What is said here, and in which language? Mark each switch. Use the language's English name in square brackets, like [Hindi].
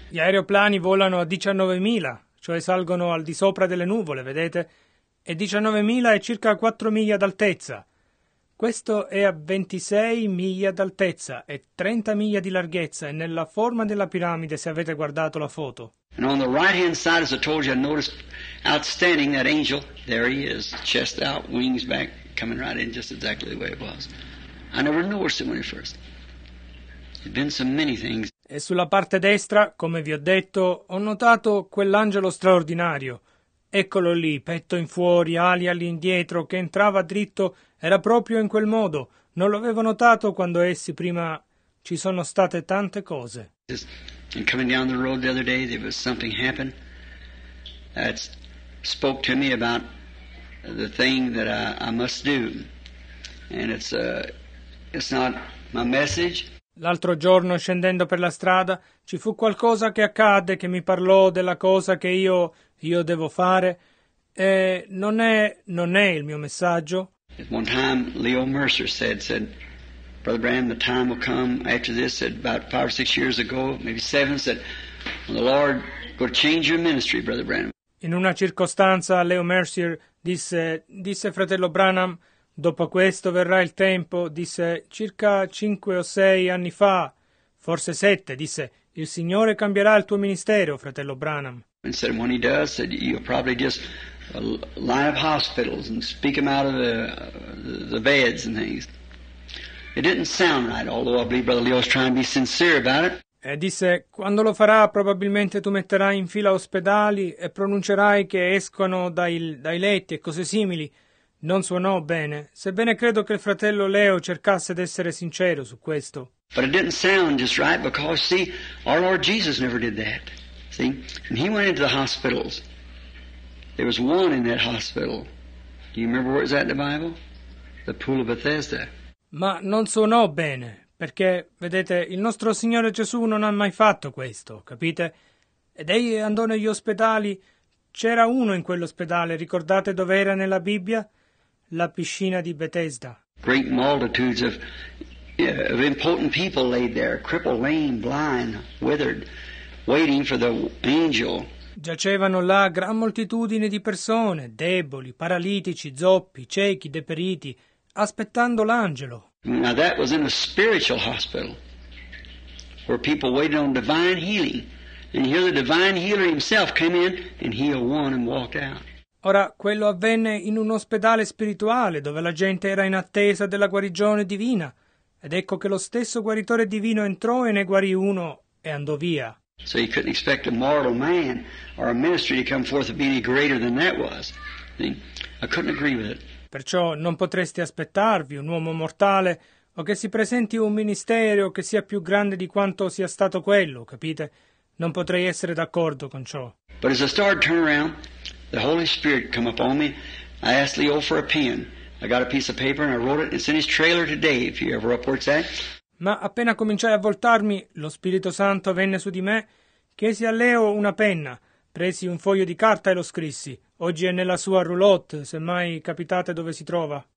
[Italian] Gli aeroplani volano a 19,000, cioè salgono al di sopra delle nuvole, vedete? E 19,000 è circa 4 miglia d'altezza. Questo è a 26 miglia d'altezza e 30 miglia di larghezza e nella forma della piramide, se avete guardato la foto. [English] And on the right hand side, as I told you, I noticed outstanding that angel. There he is, chest out, wings back, coming right in just exactly the way it was. I never noticed it when it first. There've been so many things. [Italian] E sulla parte destra, come vi ho detto, ho notato quell'angelo straordinario. Eccolo lì, petto in fuori, ali all'indietro, che entrava dritto, era proprio in quel modo. Non l'avevo notato quando essi prima ci sono state tante cose. [English] And coming down the road the other day, there was something happened that spoke to me about the thing that I must do. And it's not my message. [Italian] L'altro giorno, scendendo per la strada, ci fu qualcosa che accadde che mi parlò della cosa che io devo fare, e non è il mio messaggio. [English] At one time Leo Mercer said, Brother Branham, the time will come after this, said about 5 or 6 years ago, maybe 7, said, when the Lord will change your ministry, Brother Branham. [Italian] In una circostanza Leo Mercer disse fratello Branham, dopo questo verrà il tempo, disse, circa 5 o 6 anni fa, forse 7, disse, il Signore cambierà il tuo ministero, fratello Branham. [English] And said, when he does, said, you'll probably just line up hospitals and speak them out of the beds and things. It didn't sound right, although I believe Brother Leo was trying to be sincere about it. [Italian] E disse, quando lo farà, probabilmente tu metterai in fila ospedali e pronuncerai che escono dai letti e cose simili. Non suonò bene, sebbene credo che il fratello Leo cercasse d'essere sincero su questo. [English] But it didn't sound just right because, see, our Lord Jesus never did that. See, and he went into the hospitals. There was one in that hospital. Do you remember where it was at in the Bible? The Pool of Bethesda. [Italian] Ma non suonò bene, perché, vedete, il nostro Signore Gesù non ha mai fatto questo, capite? Ed egli andò negli ospedali. C'era uno in quell'ospedale, ricordate dove era nella Bibbia? La piscina di Bethesda. [English] Great multitudes of important people laid there, crippled, lame, blind, withered. Waiting for the angel. [Italian] Giacevano là gran moltitudine di persone, deboli, paralitici, zoppi, ciechi, deperiti, aspettando l'angelo. [English] Now that was in a spiritual hospital, where people waited on divine healing, and here the divine healer himself came in and healed one and walked out. [Italian] Ora, quello avvenne in un ospedale spirituale, dove la gente era in attesa della guarigione divina, ed ecco che lo stesso guaritore divino entrò e ne guarì uno e andò via. [English] So you couldn't expect a mortal man or a ministry to come forth to be any greater than that was. I couldn't agree with it. [Italian] Perciò non potresti aspettarvi un uomo mortale o che si presenti un ministero che sia più grande di quanto sia stato quello, capite? Non potrei essere d'accordo con ciò. [English] But as I started turning around, the Holy Spirit came upon me. I asked Leo for a pen. I got a piece of paper and I wrote it. It's in his trailer today, if you ever up where it's at. [Italian] Ma appena cominciai a voltarmi, lo Spirito Santo venne su di me, chiesi a Leo una penna, presi un foglio di carta e lo scrissi. Oggi è nella sua roulotte, se mai capitate dove si trova.